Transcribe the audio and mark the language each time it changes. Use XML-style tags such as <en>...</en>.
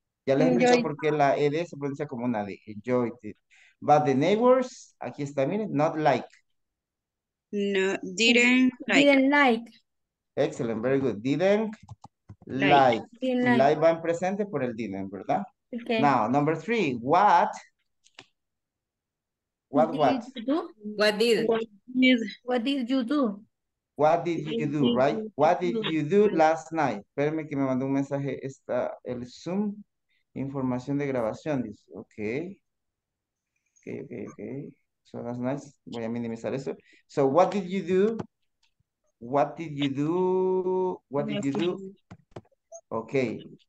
<es>Explico por qué la ED se pronuncia como una D.</es> <en>Enjoyed it. But the neighbors,</en> <es>aquí está, miren,</es> <en>not like. No, didn't like. Excellent, very good. Didn't like.</en> <es>Like va en presente por el didn't, ¿verdad? Okay.</es> <en>Now, number three, what did you do last night?</en> <es>Espérenme que me mandó un mensaje, está el Zoom, información de grabación, dice, Okay.</es> <en>So that's nice.</en> <es>Voy a minimizar eso.</es> <en>So what did you do? Okay.</en>